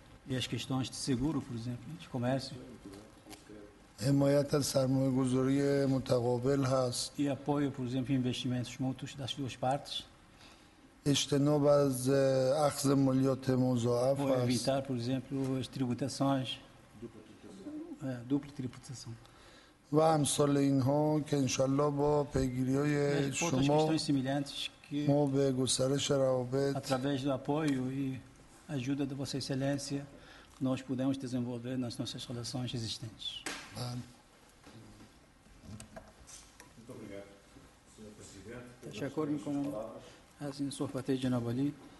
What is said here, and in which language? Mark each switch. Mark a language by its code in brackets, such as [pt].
[pt] E as questões de seguro, por exemplo, de comércio. [fa] حمایت از سرمایه‌گذاری متقابل هست. [pt] E apoio, por exemplo, investimentos mútuos das duas partes. [fa] اجتناب از اخذ مالیات مضاعف هست. [pt] Ou evitar, por exemplo, as tributações. Dupla tributação. [fa] و امثال اینها که انشالله با پیگیری‌های شما ما به گسترش روابط [pt] através do apoio e ajuda de Vossa Excelência nós podemos desenvolver nas nossas relações existentes. Vale. Muito obrigado, senhor presidente. Deixa acordo com a senhora Patrícia de Navali.